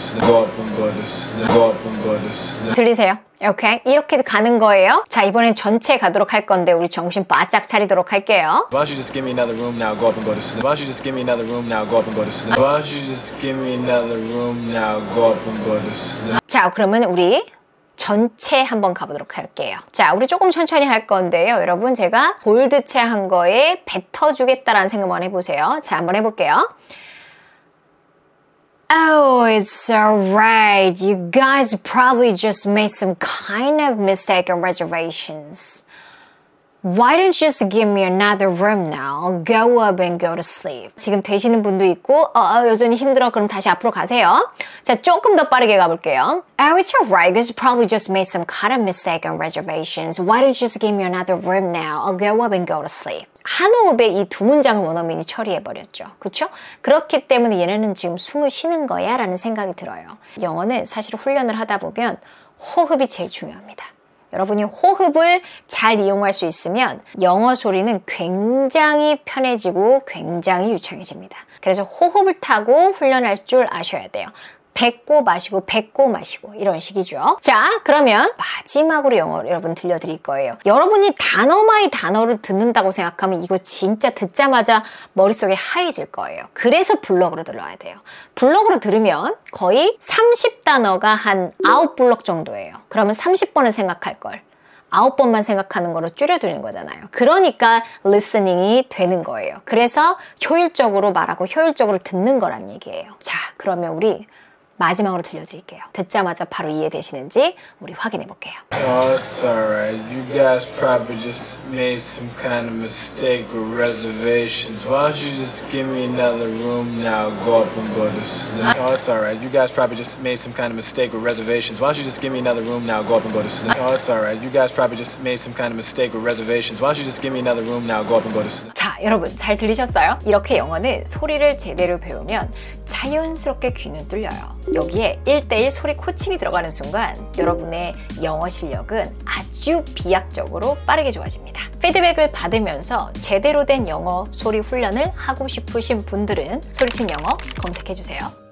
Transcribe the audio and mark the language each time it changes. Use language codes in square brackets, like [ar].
[en] Why don't you just give me another room now? [ko] 들리세요? Okay, 이렇게 가는 거예요. 자, 이번엔 전체 가도록 할 건데 우리 정신 바짝 차리도록 할게요. [en] Why don't you just give me another room now? Go up and go to sleep. Why don't you just give me another room now? Go up and go to sleep. Why don't you just give me another room now? Go up and go to sleep. [ko] 자, 그러면 우리 전체 한번 가보도록 할게요. 자, 우리 조금 천천히 할 건데요. 여러분, 제가 볼드체 한 거에 뱉어주겠다라는 생각 한번 해보세요. 자, 한번 해볼게요. [en] Oh, it's alright. You guys probably just made some kind of mistake on reservations. Why don't you just give me another room now? I'll go up and go to sleep. [ko] 지금 되시는 분도 있고, 여전히 힘들어. 그럼 다시 앞으로 가세요. 자, 조금 더 빠르게 가볼게요. [en] Oh, it's alright. You guys probably just made some kind of mistake on reservations. Why don't you just give me another room now? I'll go up and go to sleep. [ko] 한 호흡에 이 두 문장을 원어민이 처리해버렸죠. 그렇죠? 그렇기 때문에 얘네는 지금 숨을 쉬는 거야 라는 생각이 들어요. 영어는 사실 훈련을 하다 보면 호흡이 제일 중요합니다. 여러분이 호흡을 잘 이용할 수 있으면 영어 소리는 굉장히 편해지고 굉장히 유창해집니다. 그래서 호흡을 타고 훈련할 줄 아셔야 돼요. 뱉고 마시고 뱉고 마시고 이런 식이죠. 자, 그러면 마지막으로 영어를 여러분 들려드릴 거예요. 여러분이 단어 마이 단어를 듣는다고 생각하면 이거 진짜 듣자마자 머릿속에 하얘질 거예요. 그래서 블록으로 들어야 돼요. 블록으로 들으면 거의 30단어가 한 9블록 정도예요. 그러면 30번을 생각할 걸. 9번만 생각하는 거로 줄여드리는 거잖아요. 그러니까 리스닝이 되는 거예요. 그래서 효율적으로 말하고 효율적으로 듣는 거란 얘기예요. 자, 그러면 우리 마지막으로 들려드릴게요. 듣자마자 바로 이해되시는지 우리 확인해 볼게요. [en] Oh, it's alright. You guys probably just made some kind of mistake with reservations. Why don't you just give me another room now? Go up and go to sleep. Oh, it's alright. You guys probably just made some kind of mistake with reservations. Why don't you just give me another room now? Go up and go to sleep. Oh, it's alright. You guys probably just made some kind of mistake with reservations. Why don't you just give me another room now? Go up and go to sleep. [ko] 자, 여러분 잘 들리셨어요? 이렇게 영어는 소리를 제대로 배우면 자연스럽게 귀는 뚫려요. 여기에 1:1 소리 코칭이 들어가는 순간 여러분의 영어 실력은 아주 비약적으로 빠르게 좋아집니다. 피드백을 받으면서 제대로 된 영어 소리 훈련을 하고 싶으신 분들은 소리친 영어 검색해주세요.